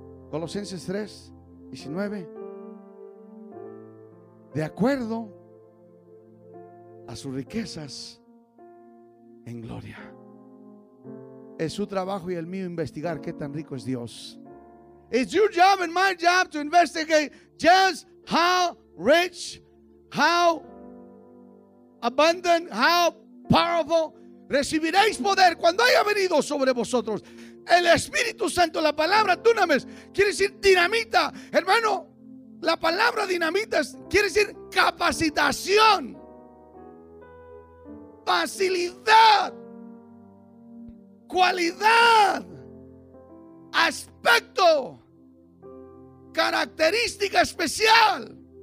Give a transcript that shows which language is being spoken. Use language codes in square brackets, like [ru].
[es] Colosenses 3, 19. De acuerdo a sus riquezas en gloria. Es su trabajo y el mío investigar qué tan rico es Dios. [en] It's your job and my job to investigate just how rich, how abundant, how powerful. [es] Recibiréis poder cuando haya venido sobre vosotros el Espíritu Santo. La palabra dunamis quiere decir dinamita, hermano. La palabra dinamita quiere decir capacitación, facilidad, cualidad, aspecto, característica especial.